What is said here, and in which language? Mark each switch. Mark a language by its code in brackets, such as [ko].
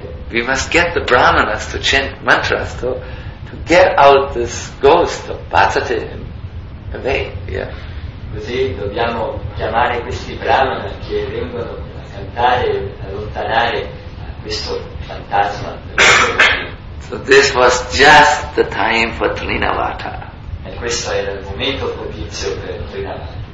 [en] We must get the brahmanas to chant mantras to get out this ghost of Patate away. Yeah. [it] Così dobbiamo chiamare questi brahmana che vengono a cantare, allontanare questo fantasma. [en] So this was just the time for Trinavata. [it] E questo era il momento propizio per Trinavata.